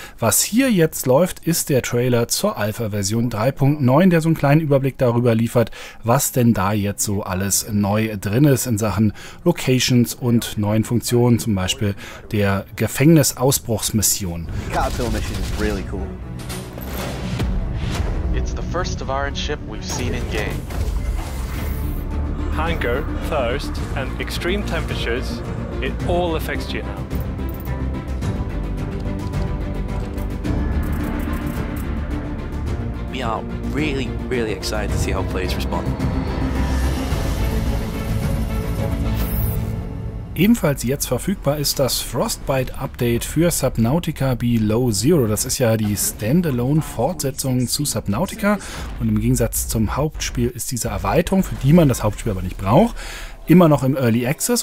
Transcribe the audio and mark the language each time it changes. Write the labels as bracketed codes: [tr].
[de] Was hier jetzt läuft, ist der Trailer zur Alpha-Version 3.9, der so einen kleinen Überblick darüber liefert, was denn da jetzt so alles neu drin ist in Sachen Locations und neuen Funktionen, zum Beispiel der Gefängnisausbruchsmission. [en] Cartel mission is really cool. It's the first Tavaran ship we've seen in game. Hunger, thirst, and extreme temperatures, it all affects you now. We are really, really excited to see how players respond. [de] Ebenfalls jetzt verfügbar ist das Frostbite-Update für Subnautica Below Zero. Das ist ja die Standalone-Fortsetzung zu Subnautica. Und im Gegensatz zum Hauptspiel ist diese Erweiterung, für die man das Hauptspiel aber nicht braucht, immer noch im Early Access.